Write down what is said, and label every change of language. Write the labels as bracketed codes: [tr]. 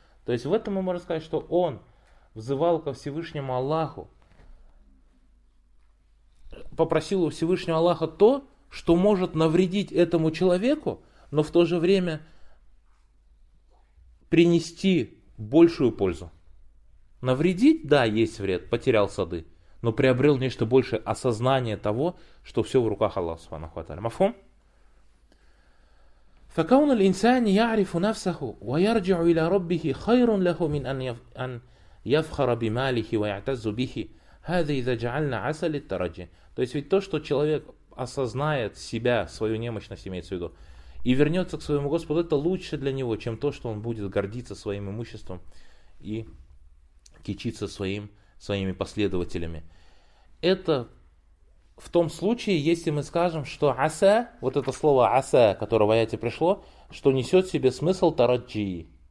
[ru] То есть в этом мы можем сказать, что он взывал ко Всевышнему Аллаху, попросил у Всевышнего Аллаха то, что может навредить этому человеку, но в то же время принести большую пользу. Навредить, да, есть вред, потерял сады, но приобрел нечто большее, осознание того, что все в руках Аллаха Субхана ва Тааля. Мафхум? [ar] فكون الإنسان يعرف نفسه ويرجع إلى ربه خير له من أن يفخر بماله ويعتز به هذا إذا جعلنا عسل الترجى. [ru] То есть ведь то, что человек осознает себя, свою немощность имеется в виду, и вернется к своему Господу, это лучше для него, чем то, что он будет гордиться своим имуществом и кичиться своими последователями. Это в том случае, если мы скажем, что аса, вот это слово аса, которое в аяте пришло, что несет в себе смысл тараджи.